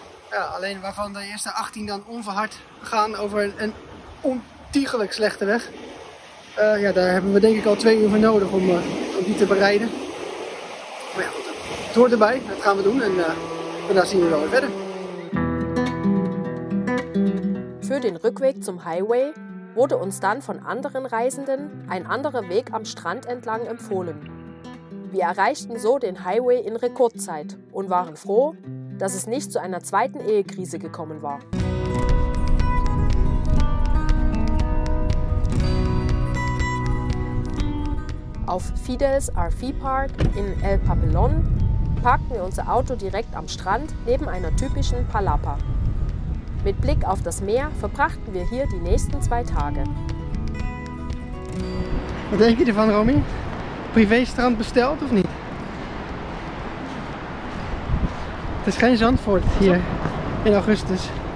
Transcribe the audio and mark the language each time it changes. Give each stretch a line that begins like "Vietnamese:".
Dutch: Ja, alleen waarvan de eerste 18 dan onverhard gaan over een ontiegelijk slechte weg. Daar hebben we denk ik al 2 uur voor nodig om die te bereiden. Maar ja, het hoort erbij, dat gaan we doen en daarna zien we wel weer verder.
German: Für den Rückweg zum Highway wurde uns dann von anderen Reisenden ein anderer Weg am Strand entlang empfohlen. Wir erreichten so den Highway in Rekordzeit und waren froh, dass es nicht zu einer zweiten Ehekrise gekommen war. Auf Fidel's RV Park in El Papelón parkten wir unser Auto direkt am Strand neben einer typischen Palapa. Mit Blick auf das Meer verbrachten wir hier die nächsten 2 Tage.
Dutch: Was denk je ervan, Romy? Privéstrand besteld of niet? Het is geen Zandvoort hier in augustus.